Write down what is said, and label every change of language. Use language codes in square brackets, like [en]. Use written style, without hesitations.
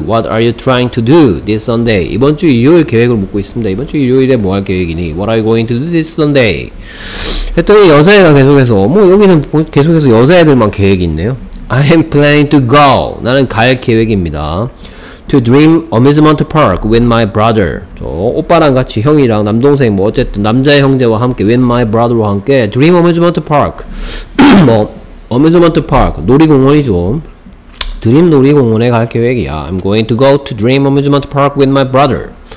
[en] What are you trying to do this Sunday? [ko] 이번 주 일요일 계획을 묻고 있습니다. 이번 주 일요일에 뭐 할 계획이니? [en] What are you going to do this Sunday? [ko] 했더니 여자애가 계속해서 뭐 여기는 계속해서 여자애들만 계획이 있네요. [en] I am planning to go. [ko] 나는 갈 계획입니다. [en] To dream amusement park with my brother. [ko] 저 오빠랑 같이 형이랑 남동생 뭐 어쨌든 남자 형제와 함께 [en] with my brother [ko] 와 함께 [en] dream amusement park. [ko] 뭐 amusement park 놀이공원이죠. 드림 놀이공원에 갈 계획이야. [en] I'm going to go to Dream Amusement Park with my brother.